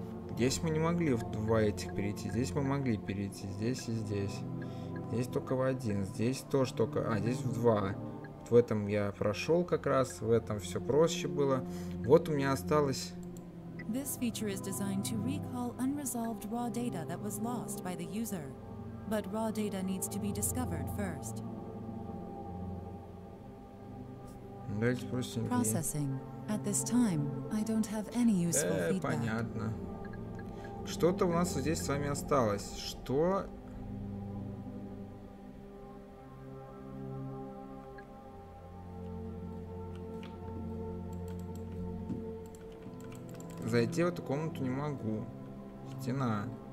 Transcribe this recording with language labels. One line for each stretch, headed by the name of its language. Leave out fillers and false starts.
Russian: Здесь мы не могли в два этих перейти. Здесь мы могли перейти. Здесь и здесь. Здесь только в один. Здесь тоже только... А, здесь в два. Вот в этом я прошел как раз. В этом все проще было. Вот у меня осталось...
English: This feature is designed to recall unresolved raw data that was lost by the user. But raw data needs to be discovered first. Processing. At this time, I don't have any useful feedback.
Russian: Понятно. Что-то у нас здесь с вами осталось. Что? зайти в эту комнату не могу. Стена.